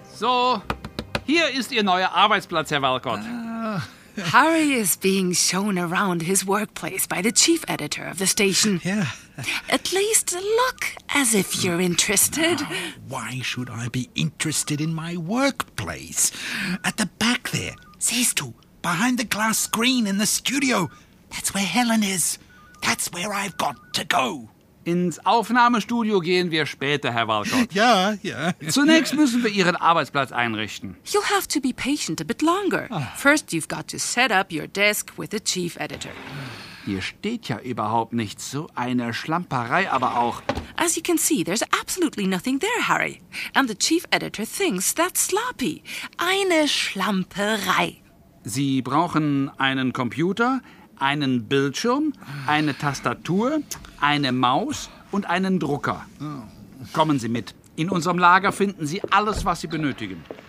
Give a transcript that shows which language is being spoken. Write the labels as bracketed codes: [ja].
[de] So, hier ist Ihr neuer Arbeitsplatz, Herr Walcott. [en] Harry is being shown around his workplace by the chief editor of the station. Yeah. At least look as if you're interested. Now, why should I be interested in my workplace? At the back there, these two, behind the glass screen in the studio. That's where Helen is. That's where I've got to go. [de] Ins Aufnahmestudio gehen wir später, Herr Walcott. Ja, ja. Zunächst müssen wir Ihren Arbeitsplatz einrichten. [en] You'll have to be patient a bit longer. First you've got to set up your desk with the chief editor. [de] Hier steht ja überhaupt nichts. So eine Schlamperei aber auch. [en] As you can see, there's absolutely nothing there, Harry. And the chief editor thinks that's sloppy. [de] Eine Schlamperei. Sie brauchen einen Computer, einen Bildschirm, eine Tastatur, eine Maus und einen Drucker. Kommen Sie mit. In unserem Lager finden Sie alles, was Sie benötigen.